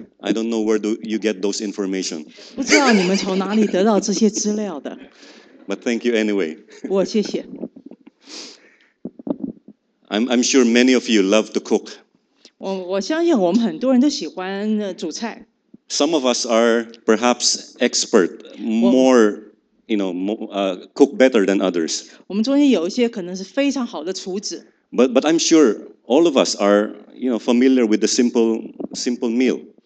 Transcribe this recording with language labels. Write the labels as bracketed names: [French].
[English] I don't know where do you get those information. [Chinese] 不知道你们从哪里得到这些资料的。 [English] But thank you anyway. [Chinese] 不过谢谢。 [English] I'm sure many of you love to cook. [Chinese] 我相信我们很多人都喜欢煮菜。 [English] Some of us are perhaps expert, more, you know, cook better than others. [Chinese] 我们中间有一些可能是非常好的厨子。 [English] But I'm sure all of us are, you know, familiar with the simple meal.